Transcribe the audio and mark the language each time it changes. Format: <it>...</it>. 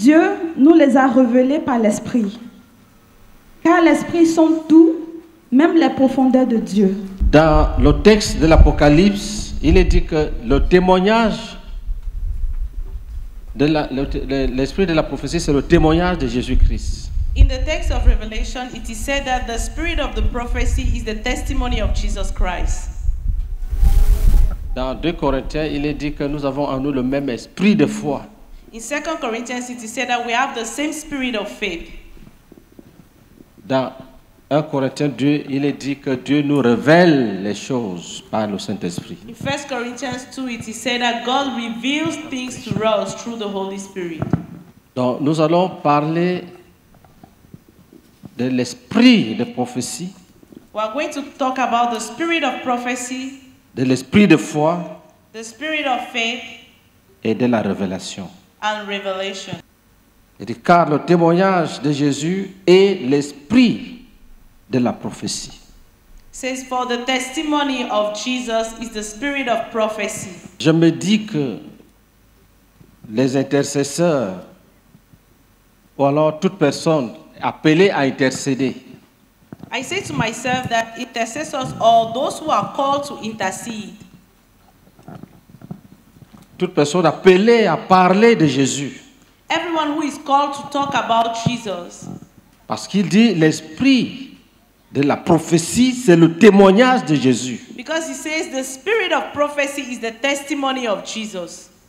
<fr>Dieu nous les a révélées par l'Esprit. Car l'Esprit sonde tout, même les profondeurs de Dieu. Dans le texte de l'Apocalypse, il est dit que le témoignage, de l'esprit de la prophétie, c'est le témoignage de Jésus-Christ.</fr> <en>In the text of Revelation, it is said that the spirit of the prophecy is the testimony of Jesus Christ.</en> <fr>Dans 2 Corinthiens, il est dit que nous avons en nous le même esprit de foi.</fr> <en>In 2 Corinthians, it is said that we have the same spirit of faith.</en> <fr>Dans 1 Corinthiens 2, il est dit que Dieu nous révèle les choses par le Saint-Esprit.</fr> <en>In 1 Corinthians 2, it is said that God reveals things to us through the Holy Spirit.</en> <fr>Donc, nous allons parler de l'esprit de prophétie.</fr> <en>We are going to talk about the spirit of prophecy.</en> <fr>De l'esprit de foi.</fr> <en>The spirit of faith.</en> <fr>Et de la révélation.</fr> <en>And revelation.</en> <fr>Et dit, car le témoignage de Jésus est l'esprit de la prophétie.</fr> <en>Says for the testimony of Jesus is the spirit of prophecy.</en> <fr>Je me dis que les intercesseurs ou alors toute personne appelée à intercéder.</fr> <en>I say to myself that intercessors or those who are called to intercede.</en> <fr>Toute personne appelée à parler de Jésus.</fr> <en>Everyone who is called to talk about Jesus.</en> <fr>Parce qu'il dit l'esprit de la prophétie, c'est le témoignage de Jésus.</fr> <en>Because he says the spirit of prophecy is the testimony of Jesus.</en>